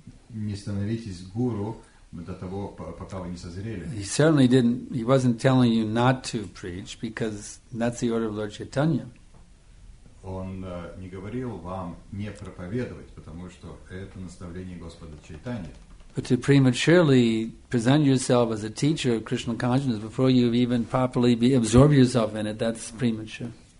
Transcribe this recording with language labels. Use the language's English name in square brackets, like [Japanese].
[Russian] Не становитесь гуру до того, пока вы не созрели. [English] He wasn't telling you not to preach because that's the order of Lord Chaitanya. [Russian] Он не говорил вам не проповедовать, потому что это наставление Господа Чайтаньи. [English] But to prematurely present yourself as a teacher of Krishna consciousness before you even properly absorb yourself in it, that's premature.